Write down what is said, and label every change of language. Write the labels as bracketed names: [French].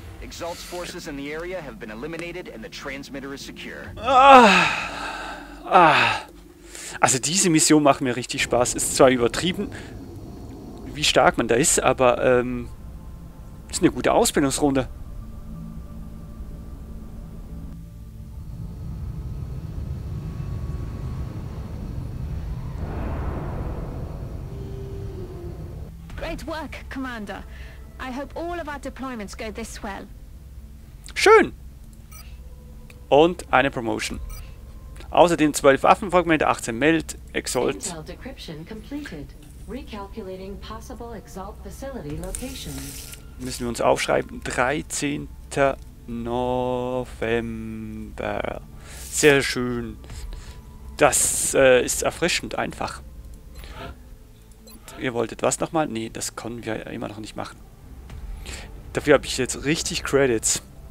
[English] Exalt's forces in the area have been eliminated and the transmitter is secure. [German] Also diese Mission macht mir richtig Spaß. Ist zwar übertrieben, wie stark man da ist, aber ist eine gute Ausbildungsrunde. [English] Great work, Commander. I hope all of our deployments go this well. [German] Schön! Und eine Promotion. Außerdem 12 Waffenfragmente, 18 Meld, Exalt. [English] Intel decryption completed. Recalculating possible Exalt facility locations. [German] Müssen wir uns aufschreiben. 13. November. Sehr schön. Das ist erfrischend einfach. Ihr wolltet was nochmal? Nee, das können wir immer noch nicht machen. Dafür habe ich jetzt richtig Credits.